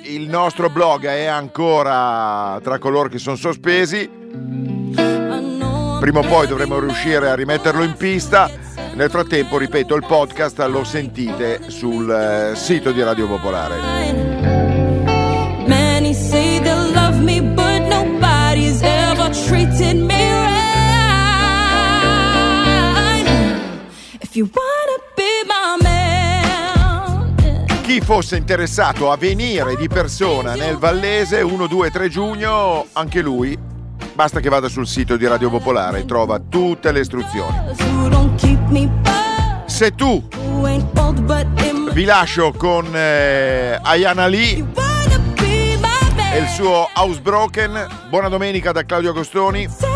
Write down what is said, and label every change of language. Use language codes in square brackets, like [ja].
[it] Il nostro blog è ancora tra coloro che sono sospesi. Prima o poi dovremo riuscire a rimetterlo in pista. Nel frattempo, ripeto, il podcast lo sentite sul sito di Radio Popolare. [en] Many say they love me, but nobody's ever treated me right. If you wanna be my man. [it] Chi fosse interessato a venire di persona nel Vallese 1, 2, 3 giugno, anche lui, basta che vada sul sito di Radio Popolare e trova tutte le istruzioni. Se tu vi lascio con Ayana Lee e il suo Housebroken, buona domenica da Claudio Agostoni.